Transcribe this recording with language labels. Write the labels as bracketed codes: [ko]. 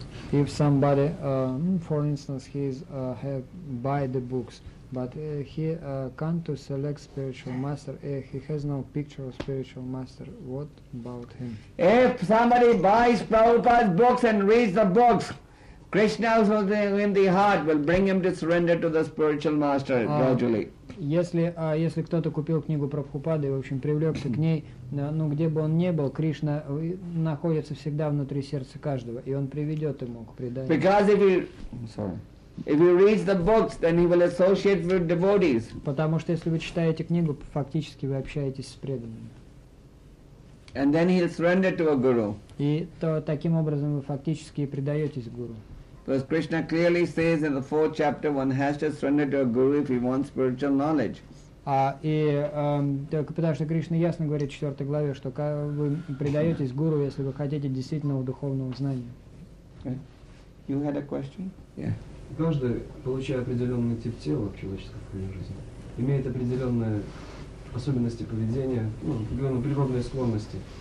[en] If somebody, for instance, he's have buy the books, but he can't to select spiritual master, he has no picture of spiritual master, what about him? If somebody buys Prabhupada's books and reads the books, Krishna in the heart will bring him to surrender to the spiritual master gradually. [ru] Если кто-то купил книгу Прабхупады и, в общем, привлекся к ней, где бы он ни был, Кришна находится всегда внутри сердца каждого, и он приведет ему к преданию. [en] Because if he reads the books, then he will associate with devotees. [ru] Потому что если вы читаете книгу, фактически вы общаетесь с преданными. [en] And then he'll surrender to a guru. [ru] И то таким образом вы фактически предаетесь гуру. [en] Because Krishna clearly says in the fourth chapter, one has to surrender to a guru if he wants spiritual knowledge. [ru] Потому что Кришна ясно говорит в 4 главе, что вы предаетесь гуру, если вы хотите действительного духовного знания. [en] You had a question? Yeah. [ru] Каждый, получая определенный тип тела в человеческой жизни, имеет определенные особенности поведения, определенные природные склонности.